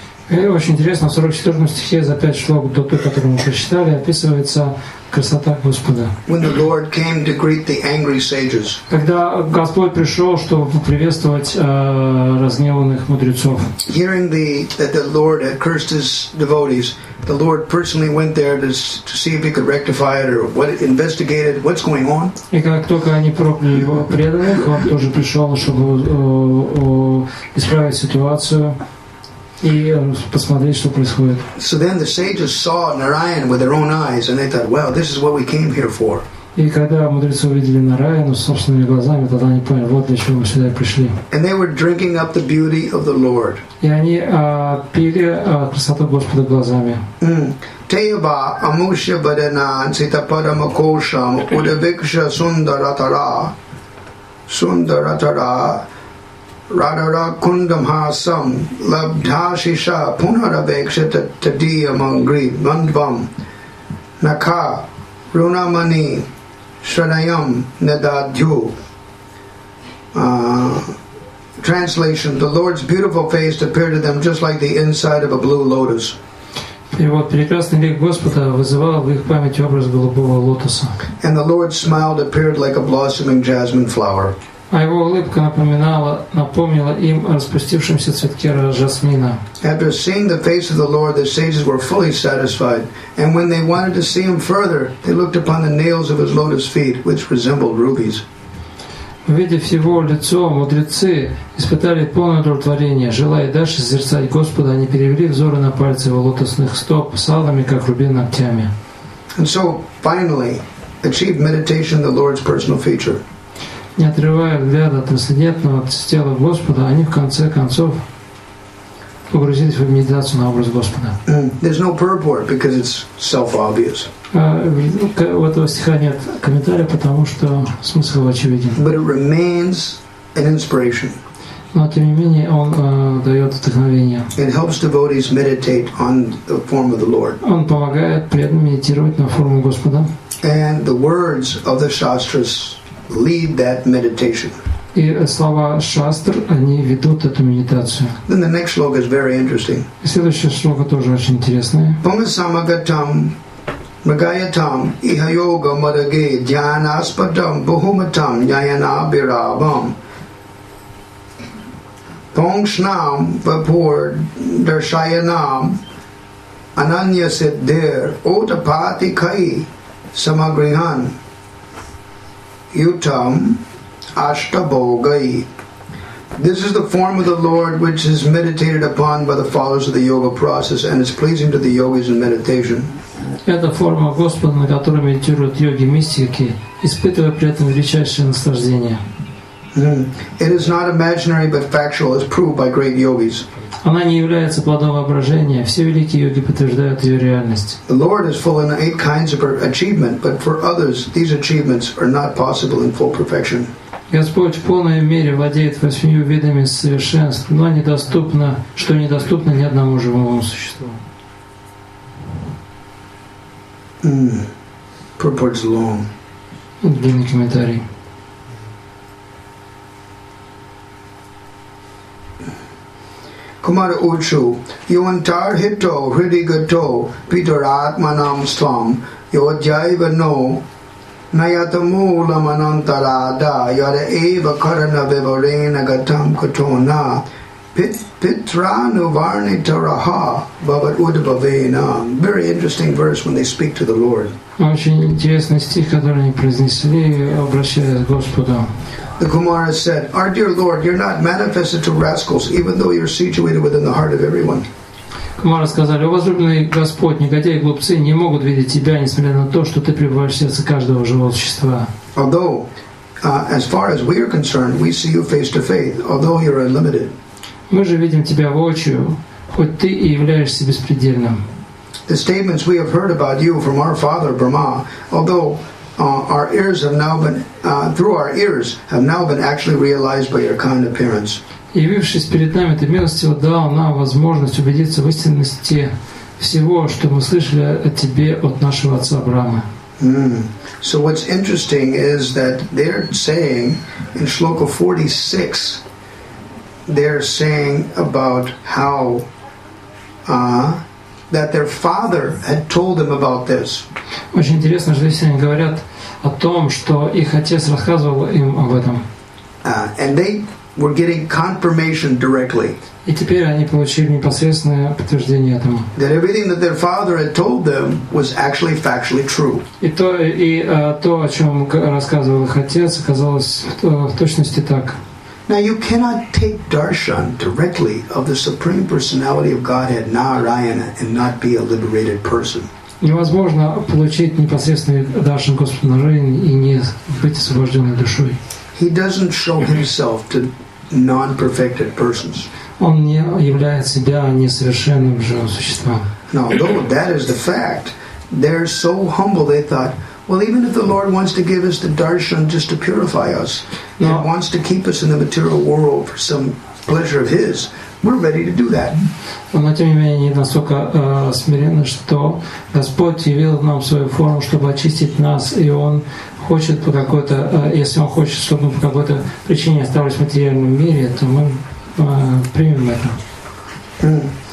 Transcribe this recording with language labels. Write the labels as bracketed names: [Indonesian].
[Russian] Очень интересно, в 44 стихе за пять шлок до той, которую мы прочитали, описывается красота Господа. [English] When the Lord came to greet the angry sages. [Russian] Когда Господь пришел, чтобы поприветствовать разгневанных мудрецов. [English] Hearing that the Lord had cursed his devotees, the Lord personally went there to see if he could rectify it or what investigated what's going on. [Russian] И как только они прокляли его преданных, он тоже пришел, чтобы исправить ситуацию. И посмотреть, что происходит. [English] So then the sages saw Narayan with their own eyes, and they thought, "Well, this is what we came here for." [Russian] И когда мудрецы увидели Нараяну собственными глазами, тогда они поняли, вот для чего мы сюда пришли. [English] And they were drinking up the beauty of the Lord. [Russian] И они пили красоту Господа глазами. [Sanskrit] Teva amusha badanan sita paramakosham udaviksha sundaratara. Radara kundam hasam labdhashisha punaravekshita tadiya mangri mandvam nakha runamani shranayam nadadhyu. [English] Translation: the Lord's beautiful face appeared to them just like the inside of a blue lotus. [Russian] И вот прекрасный лик Господа вызывал в их памяти образ голубого лотоса. [English] And the Lord's smile appeared like a blossoming jasmine flower. [Russian] А его улыбка напомнила им о распустившемся цветке жасмина. [English] After seeing the face of the Lord, the sages were fully satisfied, and when they wanted to see him further, they looked upon the nails of his lotus feet, which resembled rubies. [Russian] Увидев его лицо, мудрецы испытали полное удовлетворение, желая дальше созерцать Господа, они перевели взоры на пальцы его лотосных стоп с алыми, как рубин, ногтями. [English] And so, finally, achieved meditation, the Lord's personal feature. [Russian] не отрывая взгляда от трансцендентного тела Господа, они в конце концов погрузились в медитацию на образ Господа. [English] There's no purport because it's self-obvious. [Russian] У этого стиха нет комментария, потому что смысл очевиден. [English] But it remains an inspiration. [Russian] Но тем не менее он дает вдохновение. [English] It helps devotees meditate on the form of the Lord. [Russian] Он помогает преданным медитировать на форму Господа. [English] And the words of the shastras lead that meditation. [Russian] И слова шастр, они ведут эту медитацию. [English] Then the next shloka is very interesting. [Russian] И следующая шлока тоже очень интересная. [Sanskrit] Pumasamagatam magayatam ihayoga madage jnanaspadam bohumatam jnanabhirabham pongshnam vapur darshayanam ananyasiddhir otapati kai samagrihan yutam ashtabogai. [English] This is the form of the Lord which is meditated upon by the followers of the yoga process and is pleasing to the yogis in meditation. [Russian] Это форма Господа, на которой медитируют йоги-мистики, испытывая при этом величайшее наслаждение. [English] It is not imaginary but factual, as proved by great yogis. [Russian] Она не является плодом воображения. Все великие йоги подтверждают ее реальность. [English] The Lord is full in eight kinds of achievement, but for others these achievements are not possible in full perfection. [Russian] Господь в полной мере владеет восьмью видами совершенств, но недоступно, что недоступно ни одному живому существу. [English] Purport's long. [Russian] Длинный комментарий. [Sanskrit] Kumara Uchu, Yuantar Hito, Hridigato, Pitaratmanam Swam, Yodjaiva No, Nayatamula Manantarada, Yara Eva Karana Vivarena Gatam Katona, Pitranu Varni Taraha, Babat Udabhavena. [English] Very interesting verse when they speak to the Lord. [Russian] Очень интересный стих, который они произнесли, обращаясь к Господу. [English] The Kumara said, "Our dear Lord, you're not manifested to rascals, even though you're situated within the heart of everyone." [Russian] Kumara сказали, возлюбленный Господь, негодяи и глупцы не могут видеть тебя, несмотря на то, что ты пребываешь в сердце каждого живого существа. [English] Although, as far as we are concerned, we see you face to face, although you're unlimited. [Russian] Мы же видим тебя воочию, хоть ты и являешься беспредельным. [English] The statements we have heard about you from our father Brahma, although our ears have now been through our ears have now been actually realized by your kind appearance. [Russian] Явившись перед нами, ты милостиво дал нам возможность убедиться в истинности всего, что мы слышали о тебе от нашего отца Брама. [English] So what's interesting is that they're saying in shloka 46, they're saying about how that their father had told them about this. [Russian] Очень интересно, что здесь они говорят о том, что их отец рассказывал им об этом. [English] And they were getting confirmation directly. [Russian] И теперь они получили непосредственное подтверждение этому. [English] That everything that their father had told them was actually factually true. [Russian] И то, о чем рассказывал их отец, оказалось в точности так. [English] Now you cannot take darshan directly of the Supreme Personality of Godhead, Narayana, and not be a liberated person. [Russian] Невозможно получить непосредственный даршан Господа Нараяны и не быть освобожденной душой. [English] He doesn't show himself to non-perfected persons. [Russian] Он не являет себя несовершенным живым существом. [English] Now, though that is the fact, they're so humble they thought, well, even if the Lord wants to give us the darshan just to purify us, he wants to keep us in the material world for some pleasure of His, we're ready to do that. [Russian] Но тем не менее, они настолько смиренны, что Господь явил нам свою форму, чтобы очистить нас, и Он хочет по какой-то, если Он хочет, чтобы мы по какой-то причине остались в материальном мире, то мы примем это.